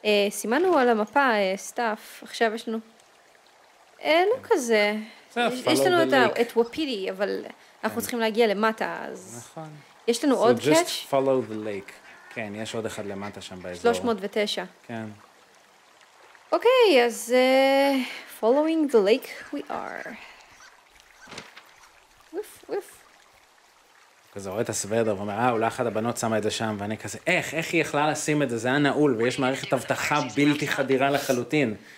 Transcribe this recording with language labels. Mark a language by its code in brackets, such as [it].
[he] סימנו על המפה, סטאף, עכשיו יש לנו... לא כזה. יש לנו את וופידי, אבל אנחנו צריכים להגיע למטה, אז... נכון. יש לנו עוד קאץ'? [en] So just follow the lake. [he] כן, יש עוד אחד למטה שם באזור. 309. כן. אוקיי, אז [en] following the lake we are. [he] כזה רואה את הסוודר ואומר, אולי אחת הבנות שמה את זה שם, ואני כזה, איך היא יכלה לשים את זה? זה היה נעול, ויש מערכת הבטחה בלתי חדירה לחלוטין.